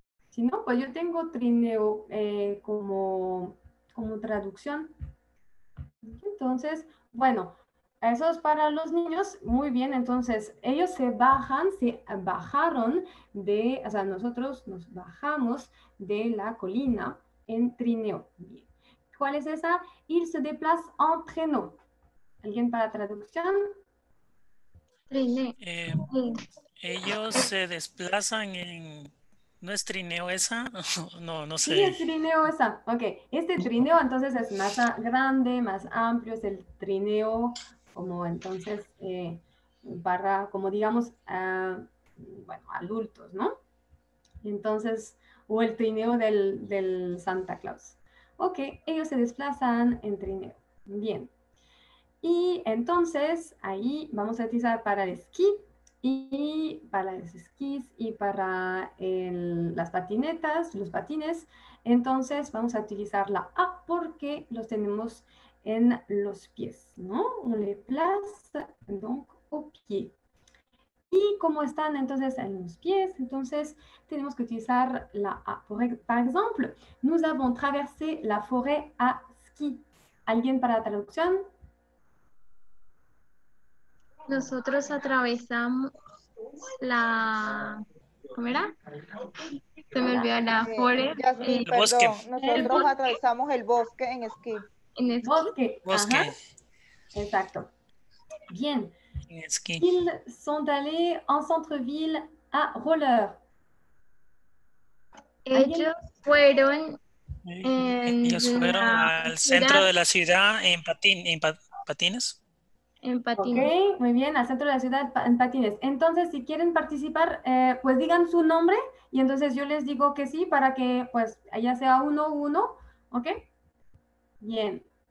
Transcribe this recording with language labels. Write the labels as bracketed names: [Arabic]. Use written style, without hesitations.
[Spanish] Si no, pues yo tengo trineo como traducción. Entonces, bueno, eso es para los niños. Muy bien, entonces, ellos nos bajamos de la colina en trineo. Bien. ¿Cuál es esa? [French] Il se déplace en traîneau. [Spanish] ¿Alguien para traducción? Trineo. Ellos se desplazan en... ¿No es trineo esa? No, no sé. Sí, es trineo esa. Ok, este trineo entonces es más grande, más amplio, es el trineo como entonces para, como digamos, bueno, adultos, ¿no? Entonces, o el trineo del Santa Claus. Ok, ellos se desplazan en trineo. Bien. Y entonces ahí vamos a utilizar para el esquí y para los esquís y para las patinetas, los patines. Entonces vamos a utilizar la A porque los tenemos en los pies, ¿no? [French] On les place donc au pied. [Spanish] Y como están entonces en los pies, entonces tenemos que utilizar la A. Por ejemplo, [French] nous avons traversé la forêt à ski. [Spanish] ¿Alguien para la traducción? Nosotros atravesamos la... ¿Cómo era? Se me olvidó la forest. Sí, el bosque. Nosotros atravesamos el bosque en esquí. En el bosque. Bosque. Ajá. Exacto. Bien. En esquí. [French] Ils sont allés en centre-ville a roller. [Spanish] Ellos fueron... En ellos fueron al centro de la ciudad en patines. En patines. Okay, muy bien, al centro de la ciudad en patines. Entonces, si quieren participar, pues digan su nombre y entonces yo les digo que sí para que pues allá sea uno uno, ¿ok? Bien.